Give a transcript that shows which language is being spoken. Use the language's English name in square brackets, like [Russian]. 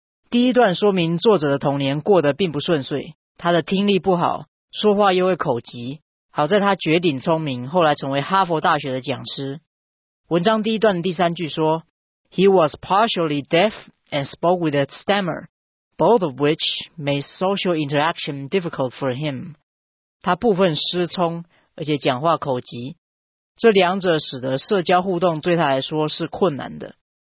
[Chinese] 第一段说明作者的童年过得并不顺遂，他的听力不好，说话又会口疾。好在他绝顶聪明，后来成为哈佛大学的讲师。文章第一段的第三句说 [English] ：“He was partially deaf and spoke with a stammer, both of which made social interaction difficult for him。” [Chinese] 他部分失聪，而且讲话口疾，这两者使得社交互动对他来说是困难的。